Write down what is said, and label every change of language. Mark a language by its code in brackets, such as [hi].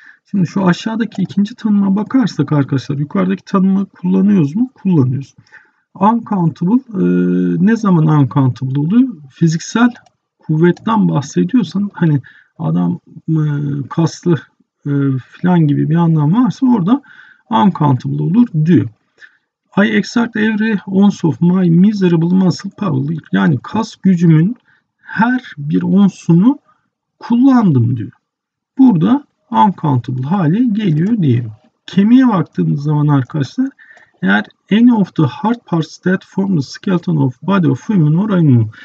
[tr] Şimdi şu aşağıdaki ikinci tanıma bakarsak arkadaşlar, yukarıdaki tanımı kullanıyoruz mu? Kullanıyoruz. Uncountable ne zaman uncountable oluyor? Fiziksel kuvvetten bahsediyorsan, hani adam kaslı filan gibi bir anlam varsa orada uncountable olur diyor. [en] I exert every ounce of my miserable muscle power. [tr] Yani kas gücümün her bir onsunu kullandım diyor. Burada uncountable hale geliyor diyelim. Kemiğe baktığımız zaman arkadaşlar, eğer [en] any of the hard parts that form the skeleton of body of human or animal.